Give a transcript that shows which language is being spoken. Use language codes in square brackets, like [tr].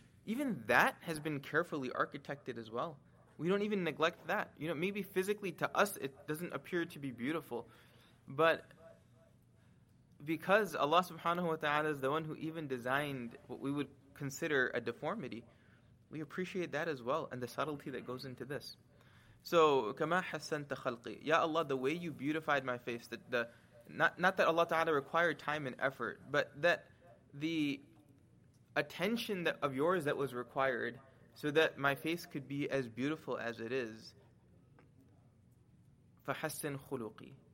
[en] Even that has been carefully architected as well. We don't even neglect that. You know, maybe physically to us it doesn't appear to be beautiful, but because Allah subhanahu wa ta'ala is the one who even designed what we would consider a deformity, we appreciate that as well, and the subtlety that goes into this. So, [ar] كَمَا حَسَّنْتَ خَلْقِي. [en] Ya Allah, the way you beautified my face, that the not that Allah ta'ala required time and effort, but that the attention that of yours that was required so that my face could be as beautiful as it is. [ar] فَحَسَّنْ خُلُقِي.